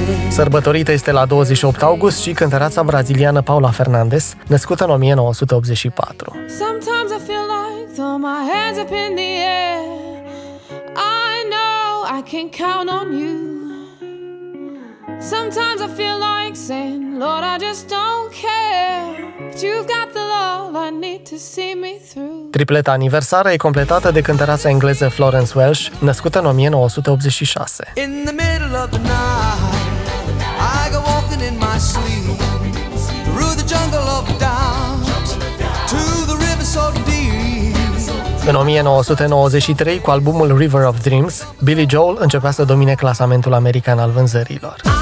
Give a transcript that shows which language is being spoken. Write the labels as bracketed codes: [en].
[ro] Sărbătorită este la 28 august și cântăreața braziliană Paula Fernandes, născută în 1984. [en] Sometimes I feel like throw my hands up in the air. I know I can count on you. Sometimes I feel like saying, Lord, I just don't care. But you've got the love I need to see me through. [ro] Tripleta aniversară e completată de cântăreața engleză Florence Welch, născută în 1986. [en] In the middle of the night, I go walking in my sleep. Through the jungle of doubt, to the river so deep. [ro] În 1993, cu albumul River of Dreams, Billy Joel începea să domine clasamentul american al vânzărilor.